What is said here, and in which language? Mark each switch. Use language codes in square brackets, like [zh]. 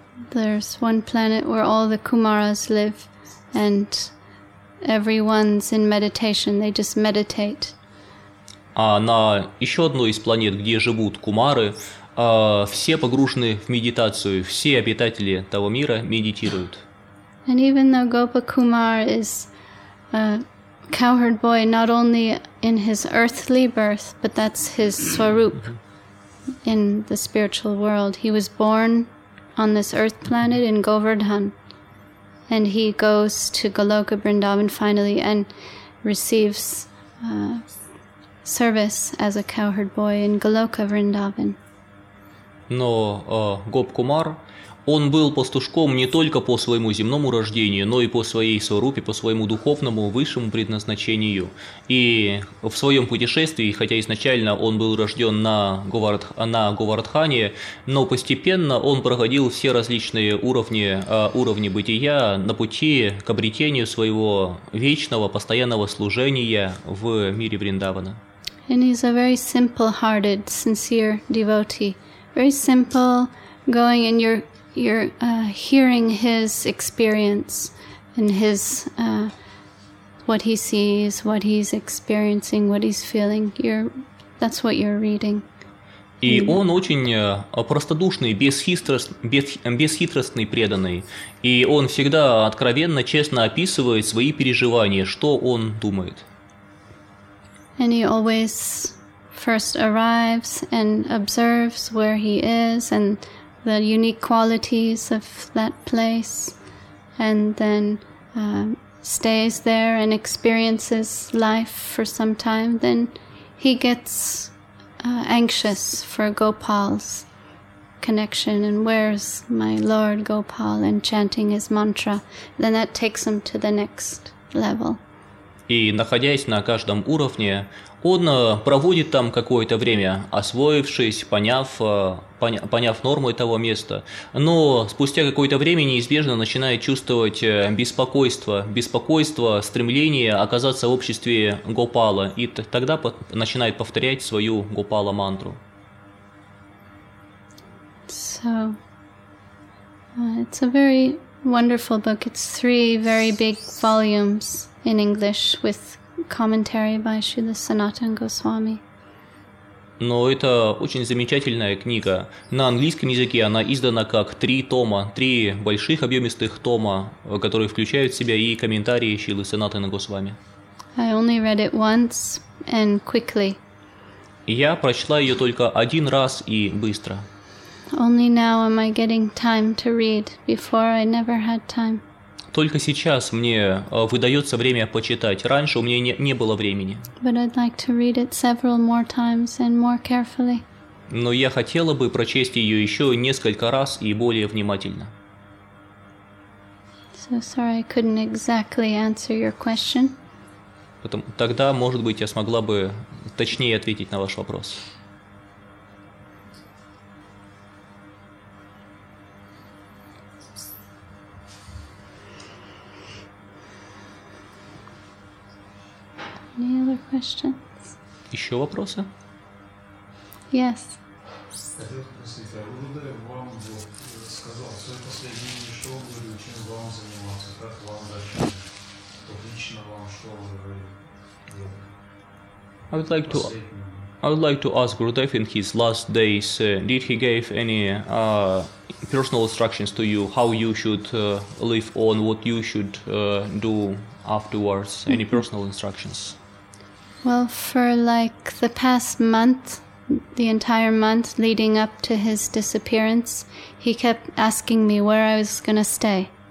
[en] There's one planet where all the Kumaras live, and everyone's in meditation. They just meditate. [ru] А на еще одной из планет, где живут Кумары, все погружены в медитацию. Все обитатели того мира медитируют. [en] And even though Gopa Kumar is a cowherd boy, not only in his earthly birth, but that's his swarup in the spiritual world. He was born on this earth planet in Govardhan, And he goes to Goloka Vrindavan finally and receives service as a cowherd boy in Goloka Vrindavan. [ru] Но Гоп Кумар, он был пастушком не только по своему земному рождению, но и по своей сварупе, по своему духовному высшему предназначению. И в своем путешествии, хотя изначально он был рожден на Говардхане, но постепенно он проходил все различные уровни бытия на пути к обретению своего вечного, постоянного служения в мире Вриндавана. [en] And he's a very simple-hearted, sincere devotee. Very simple, going and you're hearing his experience and his what he sees, what he's experiencing, what he's feeling. That's what you're reading. [ru] И он очень простодушный, бесхитростный преданный. И он всегда откровенно, честно описывает свои переживания, что он думает. [en] And he always first arrives and observes where he is and the unique qualities of that place, and then stays there and experiences life for some time. Then he gets anxious for Gopal's connection and where's my Lord Gopal, and chanting his mantra. Then that takes him to the next level. [ru] И находясь на каждом уровне, он проводит там какое-то время, освоившись, поняв норму этого места. Но спустя какое-то время неизбежно начинает чувствовать беспокойство, стремление оказаться в обществе Гопала. И тогда начинает повторять свою Гопала-мантру. [en] So, it's a very wonderful book. It's three very big volumes in English with commentary by Srila Sanatana Goswami. [ru] Но это очень замечательная книга. На английском языке она издана как три тома, три больших объемистых тома, которые включают в себя и комментарии Шрилы Санатаны Госвами. [en] I only read it once and quickly. [ru] Я прочла ее только один раз и быстро. [en] Only now am I getting time to read. Before I never had time. [ru] Только сейчас мне выдается время почитать. Раньше у меня не было времени. [en] But I'd like to read it several more times and more carefully. [ru] Но я хотела бы прочесть ее еще несколько раз и более внимательно. [en] So sorry, I couldn't exactly answer your question. [ru] Тогда, может быть, я смогла бы точнее ответить на ваш вопрос. [en] Any other questions? [ru] Еще вопросы? [en] Yes. [ru] Хотел спросить, а Гурудев вам сказал, что последний мешок говорил, чем вам заниматься, как вам дальше, как лично вам, что вы говорили? [en] I would like to ask Gurudev in his last days, did he give any personal instructions to you, how you should live on, what you should do afterwards, mm-hmm. any personal instructions? Well, for like the past month, the entire month leading up to his disappearance, he kept asking me where I was going to stay.